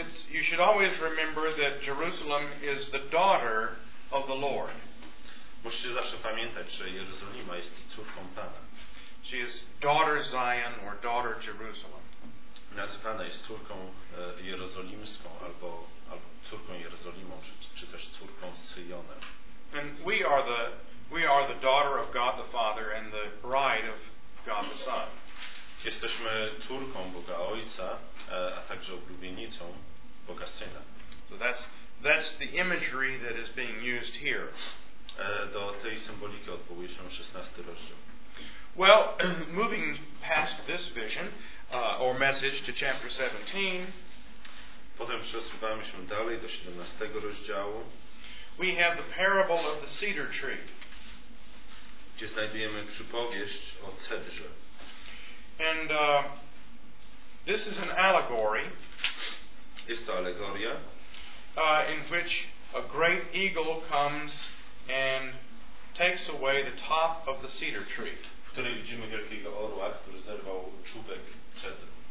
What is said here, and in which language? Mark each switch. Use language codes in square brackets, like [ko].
[en] You should always remember that Jerusalem is the daughter of the Lord. [pl] Musicie zawsze pamiętać, że Jerozolima jest córką Pana. [en] She is daughter Zion or daughter Jerusalem. [pl] Nazywana jest córką jerozolimską albo córką Jerozolimą, czy też córką Syjonem. [en] And we are the daughter of God the Father and the bride of God the Son. [pl] Jesteśmy córką Boga Ojca, a także oblubienicą Boga Syna. [en] So that's the imagery that is being used here. [pl] Do tej symboliki odwołuje się 16 rozdział. [en] Well, moving past this vision or message to chapter 17. [pl] Potem przesuwamy się dalej do 17 rozdziału. [en] We have the parable of the cedar tree. [pl] Gdzie znajdujemy przypowieść o cedrze. [en] And this is an allegory. [pl] Jest to alegoria. [en] In which a great eagle comes and takes away the top of the cedar tree. [pl] W której widzimy wielkiego orła, który zerwał czubek cedru.